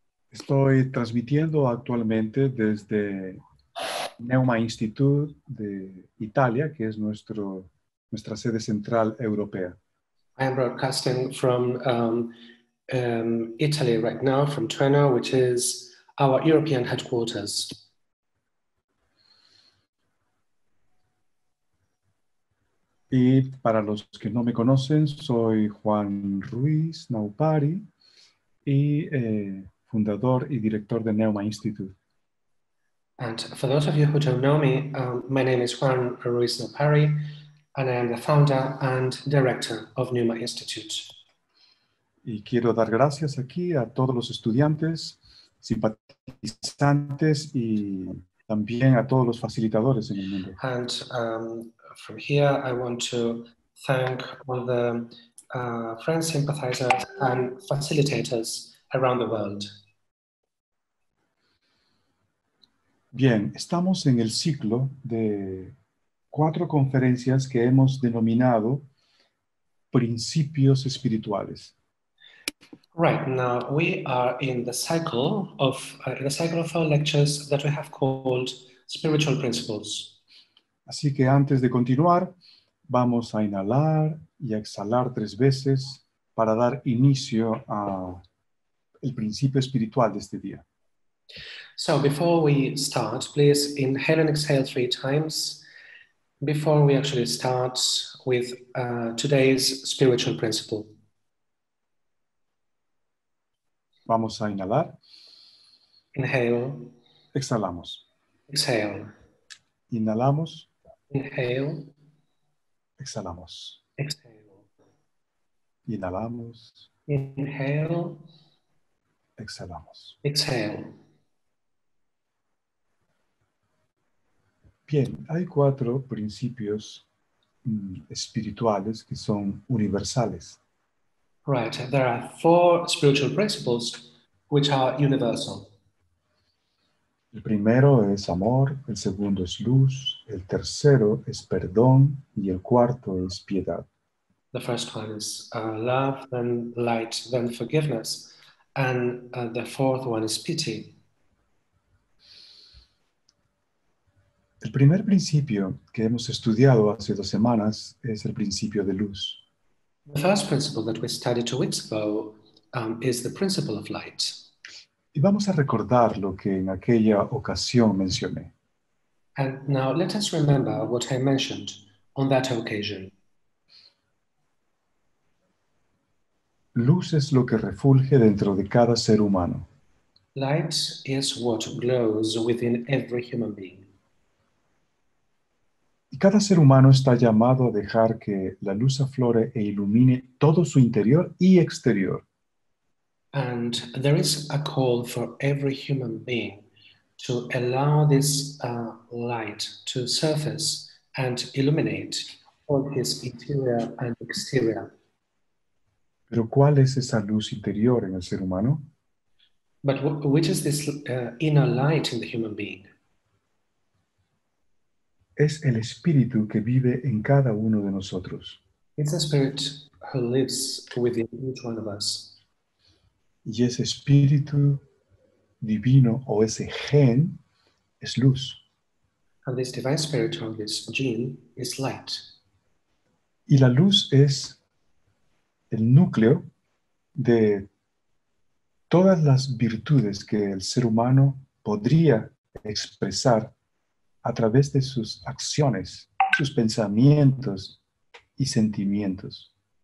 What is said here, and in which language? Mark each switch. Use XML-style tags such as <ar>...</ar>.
<es>Estoy transmitiendo actualmente desde Neuma Institute de Italia, que es nuestra sede central europea.</es> <en>I am broadcasting from Italy right now, from Trento, which is our European headquarters.</en> <es>Y para los que no me conocen, soy Juan Ruiz Naupari y fundador y director de Neuma Institute.</es> <en>And for those of you who don't know me, my name is Juan Ruiz Naupari, and I am the founder and director of Neuma Institute.</en> <es>Y quiero dar gracias aquí a todos los estudiantes, simpatizantes y también a todos los facilitadores en el mundo.</es> <en>And from here, I want to thank all the friends, sympathizers, and facilitators around the world.</en> <es>Bien, estamos en el ciclo de cuatro conferencias que hemos denominado principios espirituales.</es> <en>Right, now we are in the cycle of our lectures that we have called spiritual principles.</en> <es>Así que antes de continuar, vamos a inhalar y a exhalar tres veces para dar inicio al principio espiritual de este día.</es> <en>So before we start, please inhale and exhale three times before we actually start with today's spiritual principle.</en> <es>Vamos a inhalar.</es> <en>Inhale,</en> <es>Exhalamos.</es> <en>exhale,</en> <es>Inhalamos.</es> <en>inhale,</en> <es>Exhalamos.</es> <en>exhale,</en> <es>Inhalamos.</es> <en>inhale,</en> <es>Exhalamos.</es> <en>exhale.</en> <es>Bien, hay cuatro principios espirituales que son universales.</es> <en>Right, there are four spiritual principles which are universal.</en> <es>El primero es amor, el segundo es luz, el tercero es perdón y el cuarto es piedad.</es> <en>The first one is love, then light, then forgiveness, and the fourth one is pity.</en> <es>El primer principio que hemos estudiado hace 2 semanas es el principio de luz.</es> <en>The first principle that we studied 2 weeks ago is the principle of light.</en> <es>Y vamos a recordar lo que en aquella ocasión mencioné.</es> <en>And now let us remember what I mentioned on that occasion.</en> <es>Luz es lo que refulge dentro de cada ser humano.</es> <en>Light is what glows within every human being.</en> <es>Y cada ser humano está llamado a dejar que la luz aflore e ilumine todo su interior y exterior.</es> <en>And there is a call for every human being to allow this light to surface and illuminate all his interior and exterior.</en> <es>Pero ¿cuál es esa luz interior en el ser humano?</es> <en>But which is this inner light in the human being?</en> <es>Es el espíritu que vive en cada uno de nosotros.</es> <en>It's a spirit who lives within each one of us.</en> <es>Y ese espíritu divino o ese gen es luz.</es> <en>And this divine spirit or this gene is light.</en> <es>Y la luz es el núcleo de todas las virtudes que el ser humano podría expresar a través de sus acciones, sus pensamientos y sentimientos.</es>